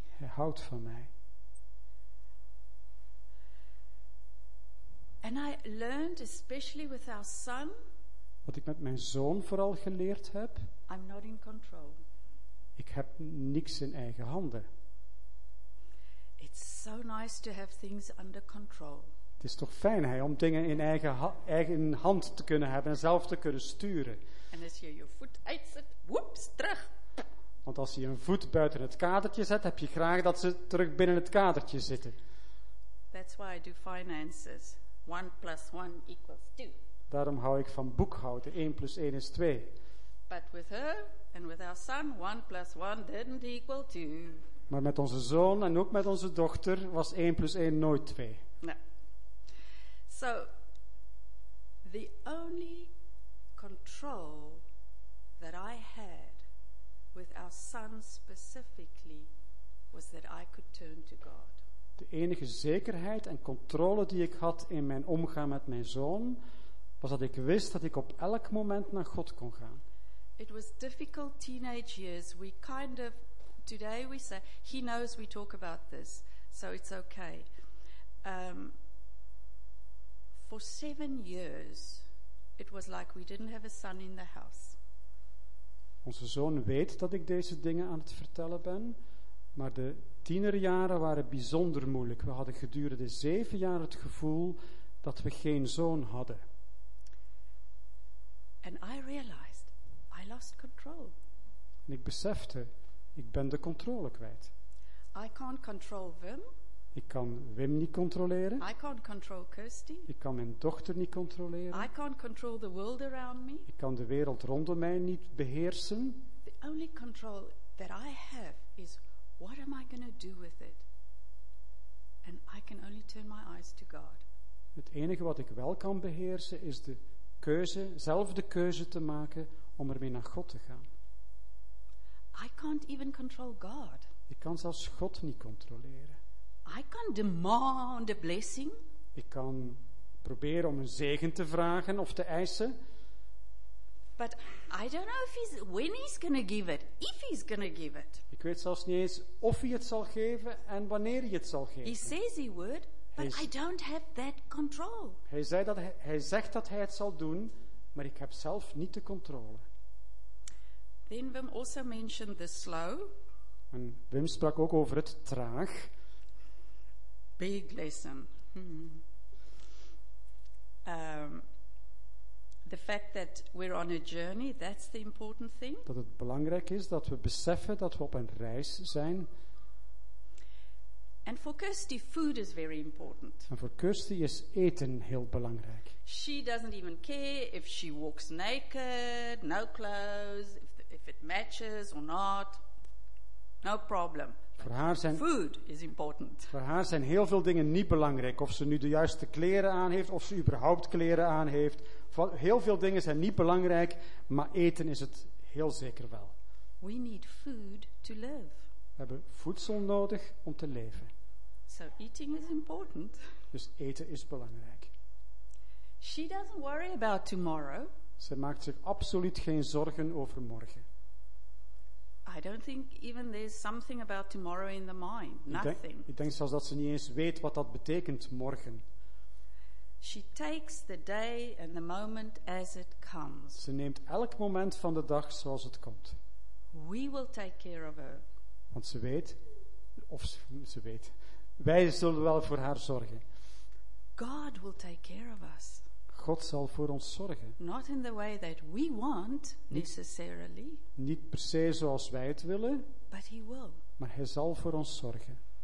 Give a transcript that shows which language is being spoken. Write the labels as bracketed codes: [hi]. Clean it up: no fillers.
[nl] Hij houdt van mij. [en] And I learned, especially with our son. [nl] Wat ik met mijn zoon vooral geleerd heb. [en] I'm not in control. [nl] Ik heb niks in eigen handen. [en] It's so nice to have things under control. [nl] Het is toch fijn, hè, om dingen in eigen hand te kunnen hebben en zelf te kunnen sturen. [en] And as you your foot [nl] uitzet, [en] whoops, [nl] terug. Want als je een voet buiten het kadertje zet, heb je graag dat ze terug binnen het kadertje zitten. [en] That's why I do finances. 1 + 1 = 2. [nl] Daarom hou ik van boekhouden. 1 + 1 = 2. [en] But with her and with our son, 1 + 1 didn't equal 2. [nl] Maar met onze zoon en ook met onze dochter was 1 + 1 nooit 2. [en] No. So, the only control that I had with our son specifically was that I could turn to God. [nl] De enige zekerheid en controle die ik had in mijn omgaan met mijn zoon was dat ik wist dat ik op elk moment naar God kon gaan. [en] It was difficult teenage years. We kind of today we say he knows we talk about this, so it's okay. For 7 years it was like we didn't have a son in the house. [nl] Onze zoon weet dat ik deze dingen aan het vertellen ben, maar de tienerjaren waren bijzonder moeilijk. We hadden gedurende 7 jaar het gevoel dat we geen zoon hadden. [en] And I realized I lost control. [nl] En ik besefte, ik ben de controle kwijt. [en] I can't control Wim. [nl] Ik kan Wim niet controleren. [en] I can't control Kirsty. [nl] Ik kan mijn dochter niet controleren. [en] I can't control the world around me. [nl] Ik kan de wereld rondom mij niet beheersen. [en] The only control that I have is what am I going to do with it? And I can only turn my eyes to God. [nl] Het enige wat ik wel kan beheersen is de keuze, zelf de keuze te maken om ermee naar God te gaan. [en] I can't even control God. [nl] Ik kan zelfs God niet controleren. [en] I can demand a blessing. [nl] Ik kan proberen om een zegen te vragen of te eisen. [en] But I don't know if he's when he's gonna give it, if he's gonna give it. [nl] Ik weet zelfs niet eens of hij het zal geven en wanneer hij het zal geven. [en] He says he would, but I don't have that control. [nl] Hij zegt dat hij het zal doen, maar ik heb zelf niet de controle. [en] Then Wim also mentioned the slow. [nl] En Wim sprak ook over het traag. [en] Big lesson. The fact that we're on a journey, that's the important thing. [nl] Dat het belangrijk is dat we beseffen dat we op een reis zijn. [en] And for Kirsty, food is very important. [nl] En voor Kirsty is eten heel belangrijk. [en] She doesn't even care if she walks naked, no clothes, if it matches or not. No problem. [nl] Voor haar zijn, [en] food is important. [nl] Voor haar zijn heel veel dingen niet belangrijk. Of ze nu de juiste kleren aan heeft, of ze überhaupt kleren aan heeft. Heel veel dingen zijn niet belangrijk, maar eten is het heel zeker wel. [en] We need food to live. [nl] We hebben voedsel nodig om te leven. [en] So eating is important. [nl] Dus eten is belangrijk. [en] She doesn't worry about tomorrow. [nl] Ze maakt zich absoluut geen zorgen over morgen. [en] I don't think even there's something about tomorrow in the mind. Nothing. [nl] Ik denk zelfs dat ze niet eens weet wat dat betekent, morgen. [en] She takes the day and the moment as it comes. [nl] Ze neemt elk moment van de dag zoals het komt. [en] We will take care of her. [nl] Want ze weet, of ze weet, wij zullen wel voor haar zorgen. [en] God will take care of us. [nl] God zal voor ons zorgen. [en] Not in the way that we want, necessarily. [nl] Niet per se zoals wij het willen. [en] But he will. [nl] Maar hij zal voor ons zorgen.